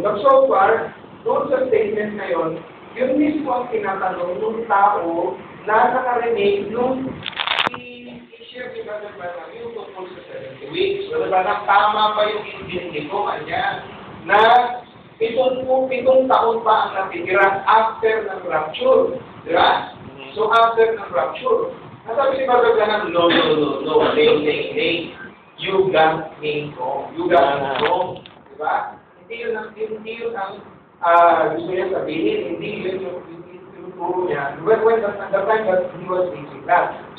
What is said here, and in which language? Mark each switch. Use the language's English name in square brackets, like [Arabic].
[English] But so far, [Filipino] doon sa statement na yun, yun mismo ang tinatanong ng tao na nakarinig nung i-share ni Brother Branham yung tungkol sa 70 weeks. So, diba, nakama pa yung intindi ko, kanya, na pitong taon pa ang natitira after ng rapture. Di ba? So, after ng rapture. Nasabi ni Brother Branham, [English] no, hey, you got me wrong. You got me wrong. [Filipino] Di ba? Hindi yun ang gusto niya sabihin. Hindi yun yung turo niya. [English] When the time that he was teaching that.